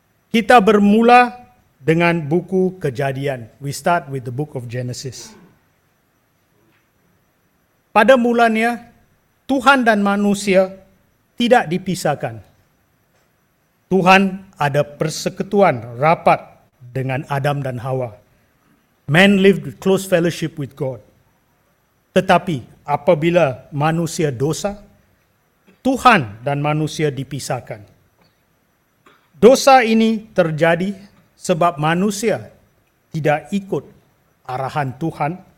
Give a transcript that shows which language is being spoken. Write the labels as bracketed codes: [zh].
[ms] Kita bermula dengan buku Kejadian. [en] We start with the book of Genesis. [ms] Pada mulanya, Tuhan dan manusia tidak dipisahkan. Tuhan ada persekutuan rapat dengan Adam dan Hawa. [en] Man lived with close fellowship with God. [ms] Tetapi apabila manusia dosa, Tuhan dan manusia dipisahkan. Dosa ini terjadi sebab manusia tidak ikut arahan Tuhan.